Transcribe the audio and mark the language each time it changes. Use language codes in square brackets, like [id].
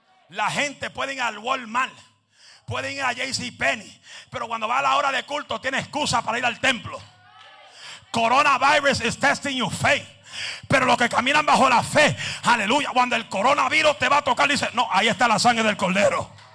[es] La gente puede ir al Walmart, puede ir a JCPenney, pero cuando va a la hora de culto tiene excusa para ir al templo. [en] Coronavirus is testing your faith. [es] Pero los que caminan bajo la fe, aleluya, cuando el coronavirus te va a tocar, dice: no, ahí está la sangre del cordero.